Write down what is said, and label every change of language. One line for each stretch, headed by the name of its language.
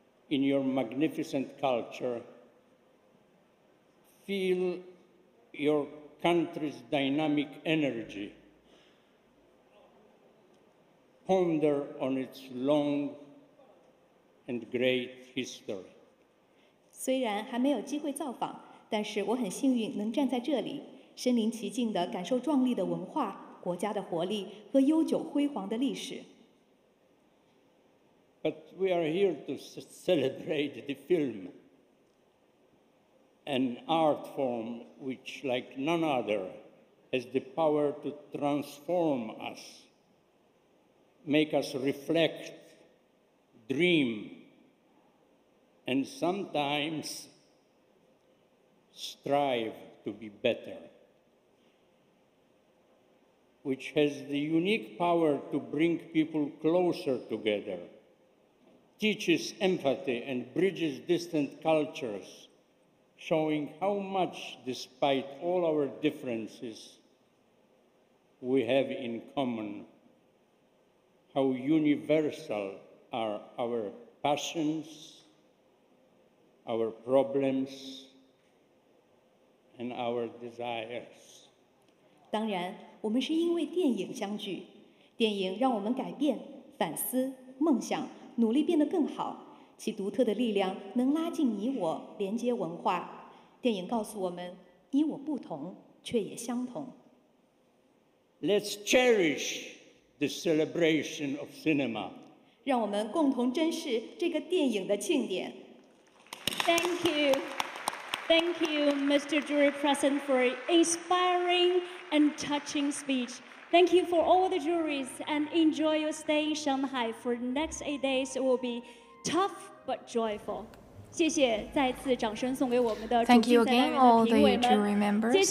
English: In your magnificent culture, feel your country's dynamic energy, ponder on its long and great history.
Chinese: 虽然还没有机会造访，但是我很幸运能站在这里，身临其境地感受壮丽的文化、国家的活力和悠久辉煌的历史。
English: But we are here to celebrate the film, an art form which, like none other, has the power to transform us, make us reflect, dream, and sometimes strive to be better, which has the unique power to bring people closer together. Teaches empathy and bridges distant cultures, showing how much, despite all our differences, we have in common, how universal are our passions, our problems, and our desires.
Chinese: 当然，我们是因为电影相聚，电影让我们改变、反思、梦想。努力变得更好，其独特的力量能拉近你我，连接文化。电影告诉我们，你我不同，却也相同。
English: Let's cherish the celebration of cinema.
Chinese: 让我们共同珍视这个电影的庆典。
English: Thank you. Thank you, Mr. Jury President, for an inspiring and touching speech. Thank you for all the juries and enjoy your stay in Shanghai. For the next 8 days, it will be tough but joyful. Thank you again, all the jury members.